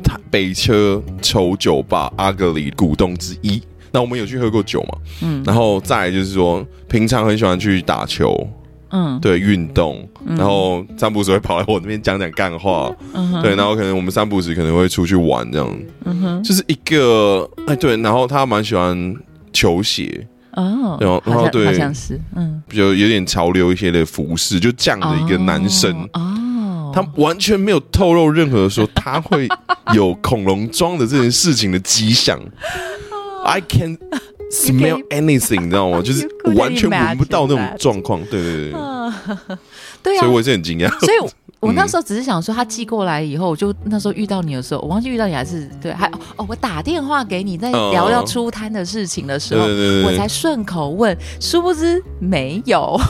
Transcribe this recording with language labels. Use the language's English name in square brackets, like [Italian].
[Chinese] 北车丑酒吧阿格里股东之一，那我们有去喝过酒嘛、嗯、然后再来就是说平常很喜欢去打球，嗯，对，运动、嗯、然后三不时会跑来我那边讲讲干话、嗯、对，然后可能我们三不时可能会出去玩这样、嗯、哼，就是一个哎对，然后他蛮喜欢球鞋哦，然后对，好像是，嗯，就有点潮流一些的服饰，就这样的一个男生、哦哦，他完全没有透露任何说他会有恐龙装的这件事情的迹象。 [English] I can smell anything， [Chinese] 你知道吗？就是完全闻不到那种状况。对对对，对啊，所以我也是很惊讶。所以我那时候只是想说，他寄过来以后，我就那时候遇到你的时候，我忘记遇到你还是对，还哦，我打电话给你，在聊聊出摊的事情的时候，对对对对，我才顺口问，殊不知没有，